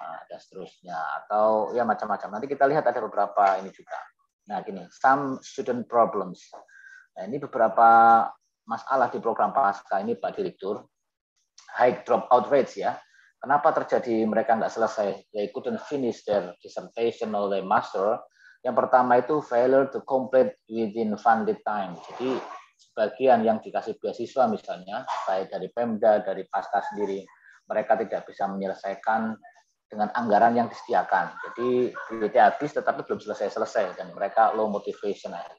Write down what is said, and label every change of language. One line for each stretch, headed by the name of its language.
Indonesian: Dan seterusnya atau ya macam-macam. Nanti kita lihat ada beberapa ini juga. Nah, gini,
English: some student problems.
Indonesian: Nah, ini beberapa masalah di program Pasca ini Pak Direktur.
English: High dropout rates
Indonesian: ya. Kenapa terjadi mereka nggak selesai?
English: They couldn't finish their dissertation or their master.
Indonesian: Yang pertama itu
English: failure to complete within funded time.
Indonesian: Jadi sebagian yang dikasih beasiswa misalnya, baik dari Pemda, dari Pasca sendiri, mereka tidak bisa menyelesaikan dengan anggaran yang disediakan. Jadi duitnya habis tetapi belum selesai-selesai dan mereka
English: low motivation.